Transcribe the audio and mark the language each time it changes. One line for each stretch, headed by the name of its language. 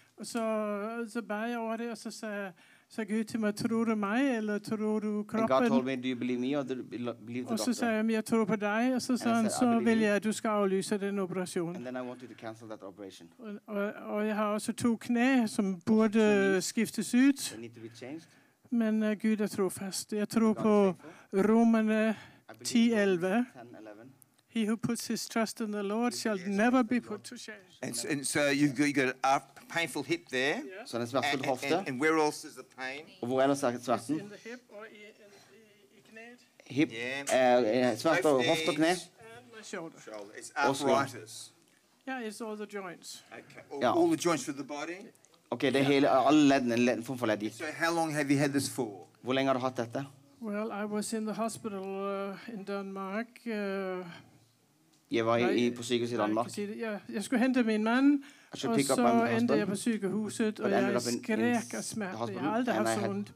Norwegian: Så ba jeg over det, og så sa jeg, så Gud til meg, tror du meg, eller tror du kroppen?
English: And God told me, do you believe me, or do you believe the doctor?
Norwegian: Og så sa jeg, jeg tror på deg, og så sa han, så vil jeg, du skal avlyse den operasjonen.
English: And then I want you to cancel that operation.
Norwegian: Og jeg har også to knæ, som burde skiftes ut.
English: They need to be changed.
Norwegian: Men Gud trofast. Jeg tror på Romerne 10:11.
English: He who puts his trust in the Lord shall never be put to shame. And so you've got a painful hip there.
Norwegian: Så det smerter på hofta.
English: And where else is the pain?
Norwegian: Og hvor ellers smerten?
English: In the hip or in the knee? Hip.
Norwegian: Smerter på hofta og kne.
English: My shoulder. It's arthritis. Yeah, it's all the joints. Okay. All the joints for the body.
Norwegian: Okay, det hele alle leddene, form for ledd.
English: So how long have you had this for?
Norwegian: Hvor lenge har du hatt dette?
English: Well, I was in the hospital in Denmark.
Norwegian: Jeg var i på sykehuset i Danmark. Jeg skulle hente min mann, og så endte jeg på sykehuset, og jeg skrek af smerte.
Danish: Jeg har aldrig haft så ondt.